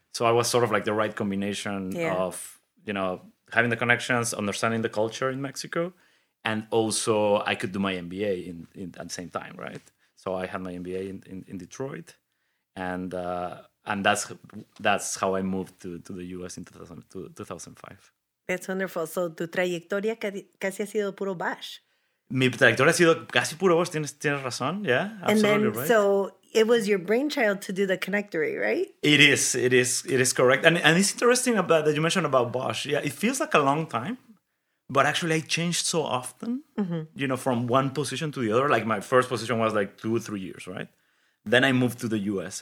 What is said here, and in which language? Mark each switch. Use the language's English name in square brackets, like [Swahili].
[English] So I was sort of like the right combination of, you know, having the connections, understanding the culture in Mexico, and also I could do my MBA in at the same time, right? So I had my MBA in Detroit, and that's how I moved to the U.S. in 2005. That's wonderful. So [Spanish] tu trayectoria casi ha sido puro Bosch. Mi trayectoria ha sido casi puro Bosch. Tienes razón. [English] Yeah, absolutely. And then, right. So it was your brainchild to do the connectory, right? It is correct. And it's interesting about that you mentioned about Bosch. Yeah, it feels like a long time, but actually I changed so often, you know, from one position to the other. Like my first position was like 2 or 3 years, right? Then I moved to the US.